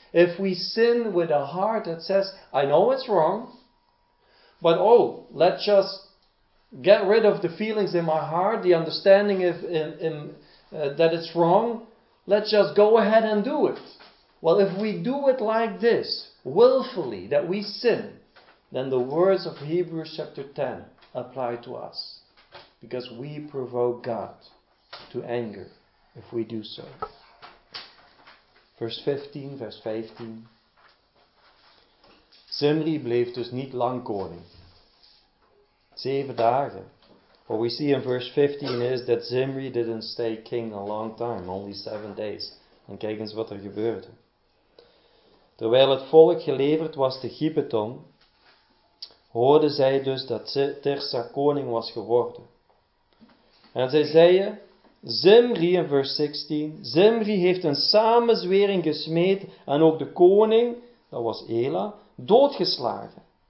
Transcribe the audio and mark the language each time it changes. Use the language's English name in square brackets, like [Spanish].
[English] If we sin with a heart that says, I know it's wrong, but oh, let's just get rid of the feelings in my heart, the understanding if that it's wrong, let's just go ahead and do it. Well, if we do it like this, willfully, that we sin, then the words of Hebrews chapter 10 apply to us. Because we provoke God to to anger if we do so. [Dutch] Verse 15. Zimri bleef dus niet lang koning. 7 dagen. [English] What we see in verse 15 is that Zimri didn't stay king a long time, only 7 days. [Dutch] En kijk eens wat er gebeurde. Terwijl het volk geleverd was te Gibeton, hoorden zij dus dat Tirsa koning was geworden. En zij zeiden, Zimri in vers 16, Zimri heeft een samenzwering gesmeed en ook de koning, dat was Ela, doodgeslagen.